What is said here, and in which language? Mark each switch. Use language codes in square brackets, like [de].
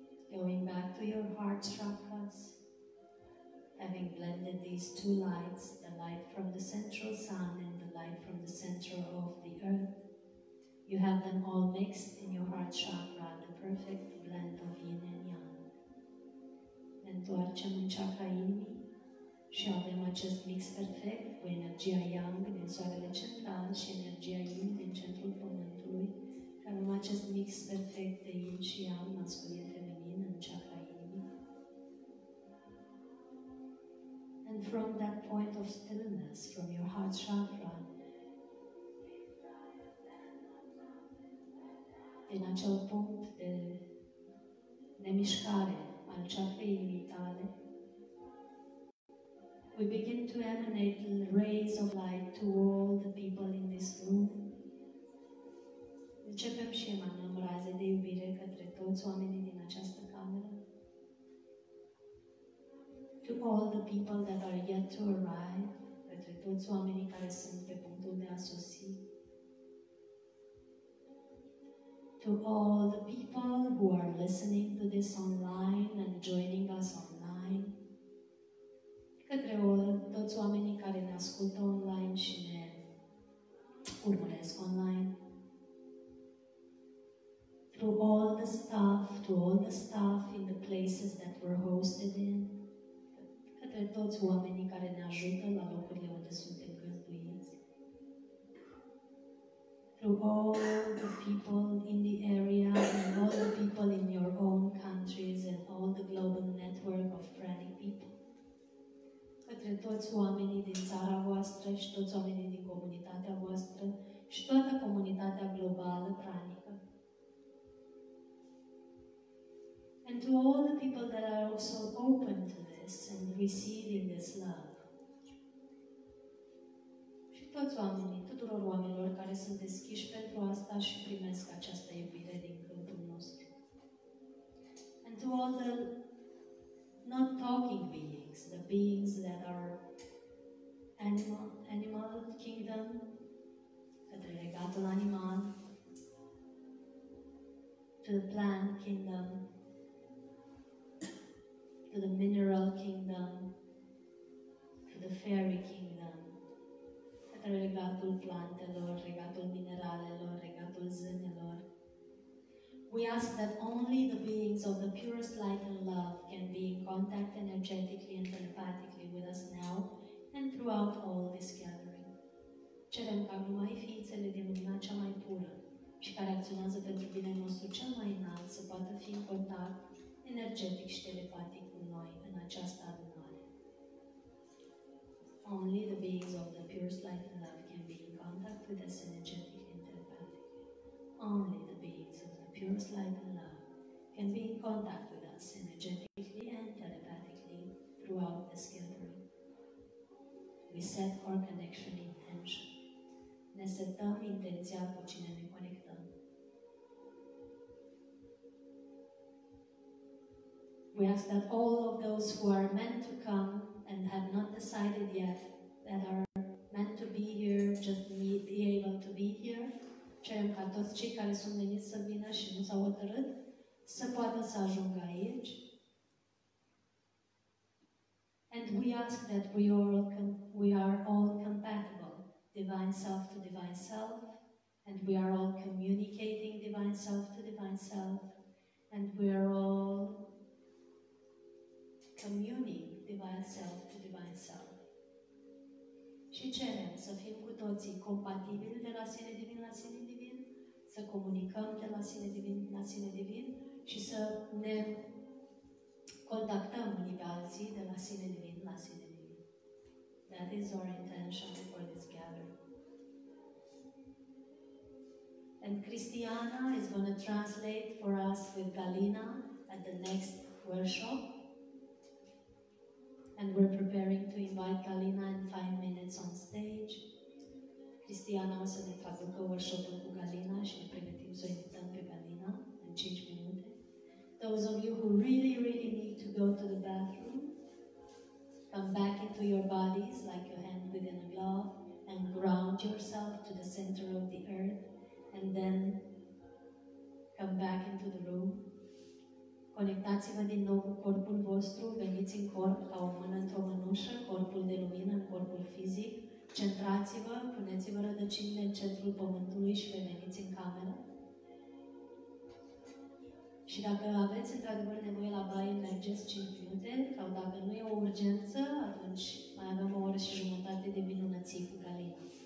[en] Going back to your heart chakras, having blended these two lights, the light from the central sun and the light from the center of the earth, you have them all mixed in your heart chakra, the perfect blend of yin and yang. [ro] Întoarcem în chakra inimii și avem acest mix perfect cu energia yang din soarele central și energia yin din centrul pământului. Avem acest mix perfect de yin și yang, masculin feminin, în chakra inimii. [en] And from that point of stillness, from your heart chakra, [ro] din acel punct de nemișcare al chakrei inimii tale, [en] we begin to emanate rays of light to all the people in this room. [ro] Începem și emanăm raze de iubire către toți oamenii din această cameră. [en] To all the people that are yet to arrive, [ro] către toți oamenii care sunt pe punctul de a sosi. [en] To all the people who are listening to this online and joining us online. [ro] Către toți oamenii care ne ascultă online și ne urmăresc online. [en] To all the staff, to all the staff in the places that we're hosted in. [ro] Către toți oamenii care ne ajută la locurile unde suntem găzduiți. [en] To all the people in the area and all the people in your own countries and all the global network of Pranic people. [ro] Către toți oamenii din țara voastră și toți oamenii din comunitatea voastră și toată comunitatea globală pranică. [en] And to all the people that are also open to this and receiving this love. [ro] Și toți oamenii, tuturor oamenilor care sunt deschiși pentru asta și primesc această iubire din câmpul nostru. [en] And to all the not talking beings, the beings that are animal kingdom, [ro] către regatul animal, [en] to the plant kingdom, to the mineral kingdom, to the fairy kingdom, [ro] către regatul plantelor, regatul mineralelor, regatul zânelor. [en] We ask that only the beings of the purest light and love can be in contact energetically and telepathically with us now and throughout all this gathering. [ro] Cerem ca numai ființele din lumina cea mai pură și care acționează pentru binele nostru cel mai înalt să poată fi în contact energetic și telepathic cu noi în această adunare. [en] Only the beings of the purest light and love can be in contact with us energetically and telepathically. Only the beings of purest light and love can be in contact with us energetically and telepathically throughout this gathering. We set our connection intention. [ro] Ne setăm intenția cu cine ne conectăm. [en] We ask that all of those who are meant to come and have not decided yet, that are meant to be here, just be able to be here, [ro] cerem ca toți cei care sunt veniți să vină și nu s-au hotărât să poată să ajungă aici. [en] And we ask that we are all compatible, divine self to divine self, and we are all communicating divine self to divine self, and we are all communing divine self to divine self. [ro] Și cerem să fim cu toții compatibili de la sine divin la sine divin, să comunicăm de la sine divin la sine divin și să ne contactăm unii pe alții de la sine divin la sine divin. [en] That is our intention for this gathering. A And Cristiana is going to translate for us with Galina at the next workshop. And we're preparing to invite Galina in 5 minutes on stage. [ro] Cristiana o să ne traducă workshop-ul cu Galina și ne pregătim să o invităm pe Galina în 5 minute. [en] Those of you who really, really need to go to the bathroom, come back into your bodies like your hand within a glove and ground yourself to the center of the earth and then come back into the room. [ro] Conectați-vă din nou cu corpul vostru, veniți în corp ca o mână într-o mânușă, corpul de lumină, corpul fizic. Centrați-vă, puneți-vă rădăcinile în centrul pământului și veniți în cameră. Și dacă aveți într-adevăr nevoie la baie, mergeți 5 minute, sau dacă nu e o urgență, atunci mai avem o oră și jumătate de minunății cu Galina.